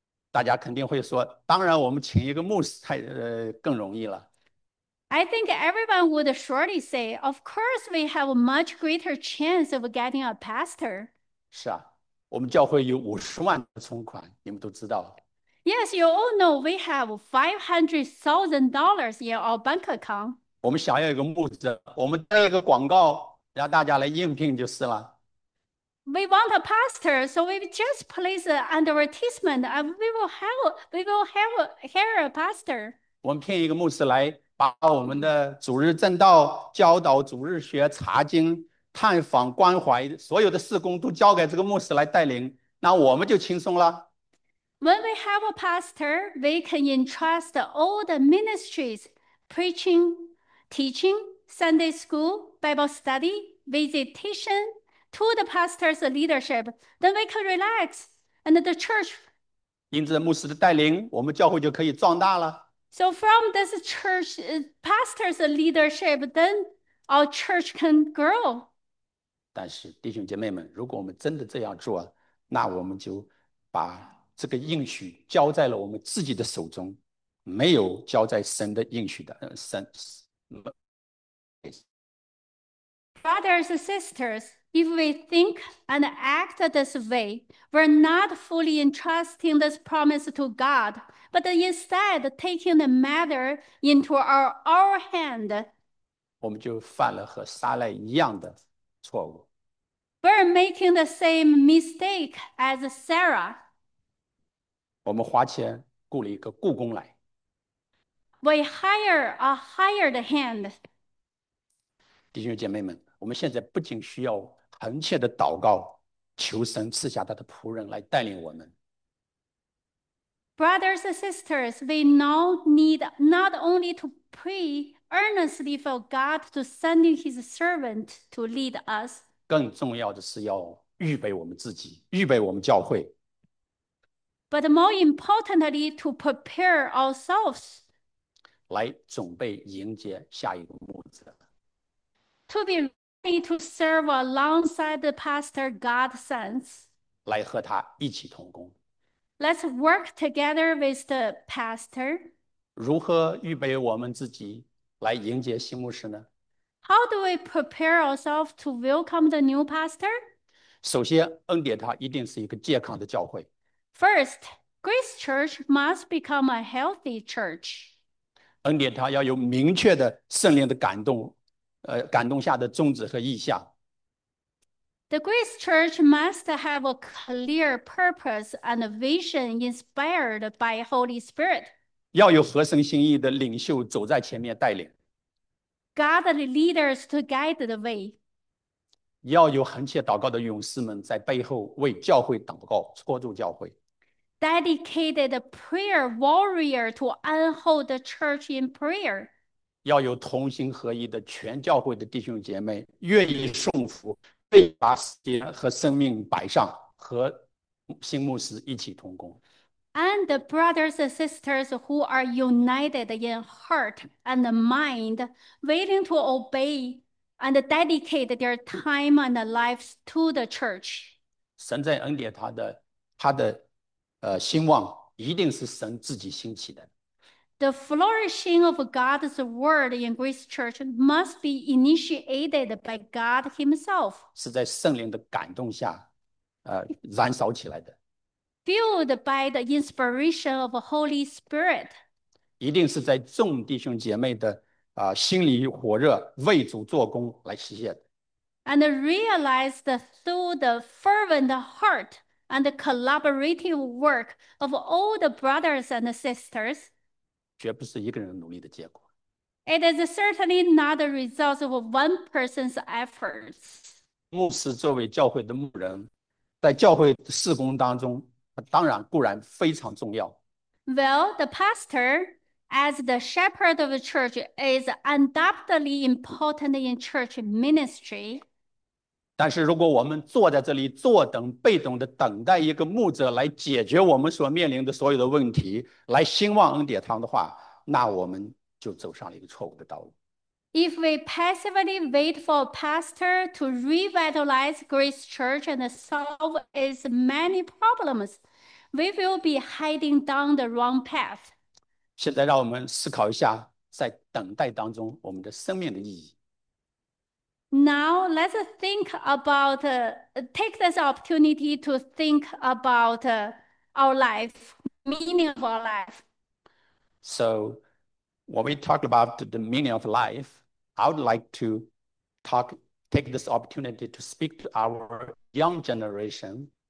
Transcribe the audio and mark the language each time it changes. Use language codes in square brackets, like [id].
[zh] 大家肯定会说，当然我们请一个牧师更容易了。 [en] I think everyone would surely say, of course, we have a much greater chance of getting a pastor. [zh] 是啊，我们教会有50万的存款，你们都知道。 [en] Yes, you all know we have $500,000 in our bank account. [zh] 我们想要一个牧者，我们带一个广告，让大家来应聘就是了。 [en] We want a pastor, so we just place an advertisement and we will hire a pastor. [zh] 我们聘一个牧师来，把我们的主日正道、教导、主日学、查经、探访、关怀，所有的事工都交给这个牧师来带领，那我们就轻松了。 [en] When we have a pastor, we can entrust all the ministries, preaching, teaching, Sunday school, Bible study, visitation to the pastor's leadership. Then we can relax and the church. [zh] 因着牧师的带领，我们教会就可以壮大了。 [en] So from this church, pastor's leadership, then our church can grow. [zh] 但是弟兄姐妹们，如果我们真的这样做，那我们就把这个应许交在了我们自己的手中，没有交在神的应许的，神， [en] Brothers and sisters, if we think and act this way, we're not fully entrusting this promise to God, but instead taking the matter into our hand. [zh] 我们就犯了和撒赖一样的错误。 [en] We're making the same mistake as Sarah. [zh] 我们花钱雇了一个雇工来， [en] We hire a hired hand. [zh] 弟兄姐妹们，我们现在不仅需要恳切的祷告，求神赐下他的仆人来带领我们。 [en] Brothers and sisters, we now need not only to pray earnestly for God to send His servant to lead us. [zh] 更重要的是要预备我们自己，预备我们教会。 [en] But more importantly, to prepare ourselves [zh] 来准备迎接下一个牧者。 [en] to be ready to serve alongside the pastor God sends. [zh] 来和他一起同工。 [en] Let's work together with the pastor. [zh] 如何预备我们自己来迎接新牧师呢？ [en] How do we prepare ourselves to welcome the new pastor? [zh] 首先，恩典堂一定是一个健康的教会。 [en] First, Grace Church must become a healthy church. [zh] 恩典堂要有明确的圣灵的感动，感动下的宗旨和意向。 [en] The Grace Church must have a clear purpose and vision inspired by Holy Spirit. [zh] 要有合神心意的领袖走在前面带领。 [en] Godly leaders to guide the way. [zh] 要有恒切祷告的勇士们在背后为教会祷告，托住教会。 [en] Dedicated prayer warrior to uphold the church in prayer. [zh] 要有同心合意的全教会的弟兄姐妹，愿意顺服，愿意把时间和生命摆上，和新牧师一起同工。 [en] And the brothers and sisters who are united in heart and mind, waiting to obey and dedicate their time and lives to the church. [zh] 神在恩典他的兴旺，一定是神自己兴起的。 [en] The flourishing of God's word in Grace Church must be initiated by God Himself, [zh] 是在圣灵的感动下，燃烧起来的， [en] fueled by the inspiration of Holy Spirit. [zh] 一定是在众弟兄姐妹的心里火热，为主做工来实现的。 [en] And realized through the fervent heart and the collaborative work of all the brothers and sisters. [zh] 绝不是一个人努力的结果。 [en] It is certainly not the result of one person's efforts. [zh] 牧师作为教会的牧人，在教会事工当中，他当然固然非常重要。 [en] Well, the pastor, as the shepherd of the church, is undoubtedly important in church ministry. [zh] 但是，如果我们坐在这里坐等、被动的等待一个牧者来解决我们所面临的所有的问题，来兴旺恩典堂的话，那我们就走上了一个错误的道路。 [en] If we passively wait for a pastor to revitalize Grace Church and solve its many problems, we will be heading down the wrong path. [zh] 现在，让我们思考一下，在等待当中，我们的生命的意义。 [en] Now, let's think about, take this opportunity to think about our life, meaning of our life. So, when we talk about the meaning of life, I would like to take this opportunity to speak to our young generation.